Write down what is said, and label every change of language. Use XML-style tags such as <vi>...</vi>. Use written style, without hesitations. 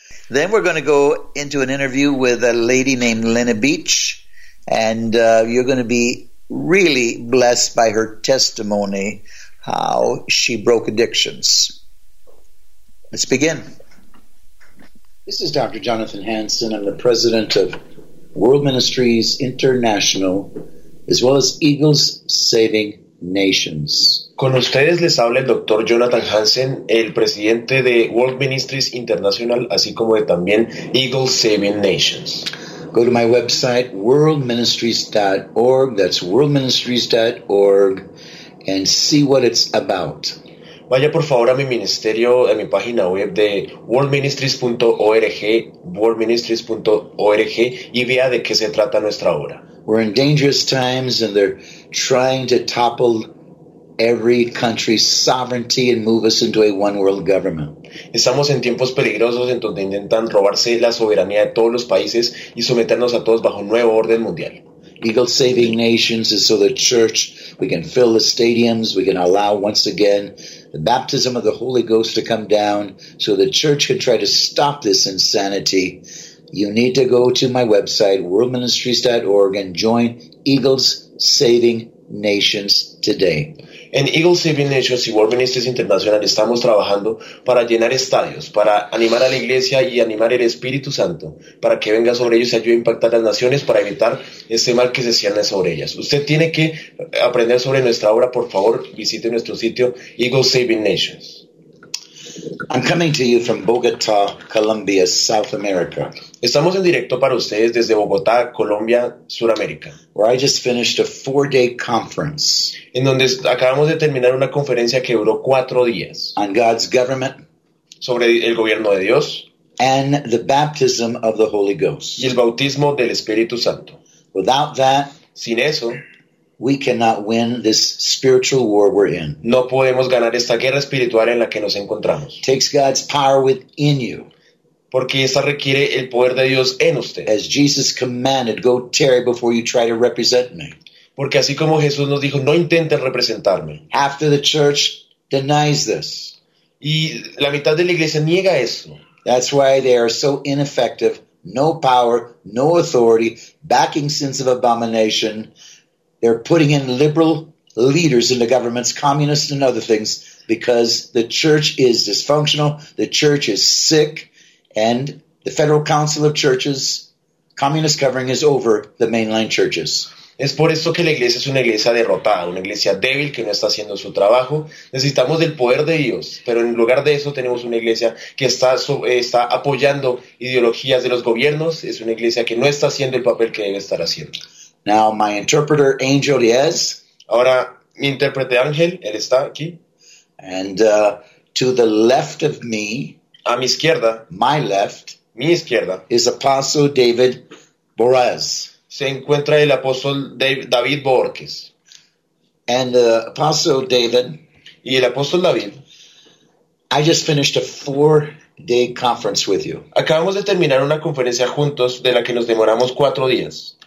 <en>Then we're going to go into an interview with a lady named Lena Beach, and you're going to be really blessed by her testimony, how she broke addictions. Let's begin. This is Dr. Jonathan Hansen. I'm the president of World Ministries International, as well as Eagles Saving Nations.</en> <es>Con ustedes les habla el Dr. Jonathan Hansen, el presidente de World Ministries International, así como de también Eagles Saving Nations.</es> <en>Go to my website, worldministries.org. That's worldministries.org, and see what it's about.</en> <es>Vaya por favor a mi ministerio, a mi página web de worldministries.org, worldministries.org, y vea de qué se trata nuestra obra.</es> <en>We're in dangerous times and they're trying to topple every country's sovereignty and move us into a one world government.</en> <es>Estamos en tiempos peligrosos en donde intentan robarse la soberanía de todos los países y someternos a todos bajo un nuevo orden mundial.</es> <en>Eagle Saving Nations is so the church, we can fill the stadiums, we can allow once again the baptism of the Holy Ghost to come down so the church can try to stop this insanity. You need to go to my website, worldministries.org, and join Eagles Saving Nations today.</en> <es>En Eagle Saving Nations y World Ministries International estamos trabajando para llenar estadios, para animar a la iglesia y animar el Espíritu Santo, para que venga sobre ellos y ayude a impactar las naciones, para evitar ese mal que se cierne sobre ellas. Usted tiene que aprender sobre nuestra obra. Por favor, visite nuestro sitio Eagle Saving Nations.</es> <en>I'm coming to you from Bogotá, Colombia, South America.</en> <es>Estamos en directo para ustedes desde Bogotá, Colombia, Suramérica.</es> <en>Where I just finished a 4-day conference.</en> <es>En donde acabamos de terminar una conferencia que duró 4 días.</es> <en>On God's government.</en> <es>Sobre el gobierno de Dios.</es> <en>And the baptism of the Holy Ghost.</en> <es>Y el bautismo del Espíritu Santo.</es> <en>Without that.</en> <es>Sin eso.</es> <en>We cannot win this spiritual war we're in.</en> <es>No podemos ganar esta guerra espiritual en la que nos encontramos.</es> <en>Takes God's power within you.</en> <es>Porque esta requiere el poder de Dios en usted.</es> <en>As Jesus commanded, go tarry before you try to represent me.</en> <es>Porque así como Jesús nos dijo, no intenten representarme.</es> <en>After the church denies this.</en> <es>Y la mitad de la iglesia niega eso.</es> <en>That's why they are so ineffective. No power, no authority, backing sins of abomination. They're putting in liberal leaders in the governments, communists and other things, because the church is dysfunctional, the church is sick, and the Federal Council of Churches, communist covering is over the mainline churches.</en> <es>Es por esto que la iglesia es una iglesia derrotada, una iglesia débil que no está haciendo su trabajo. Necesitamos del poder de Dios, pero en lugar de eso tenemos una iglesia que está apoyando ideologías de los gobiernos. Es una iglesia que no está haciendo el papel que debe estar haciendo.</es> <en>Now my interpreter Angel Diaz.</en> <es>Ahora mi intérprete Ángel, él está aquí.</es> <en>And to the left of me,</en> <es>a mi izquierda,</es> <en>my left,</en> <es>mi izquierda,</es> <en>is Apostle David Borges.</en> <es>Se encuentra el apóstol David Borges.</es> <en>And Apostle David.</en> <es>Y el apóstol David.</es> <en>I just finished a 4-day conference with you.</en> <es>Acabamos de terminar una conferencia juntos de la que nos demoramos 4 días.</es>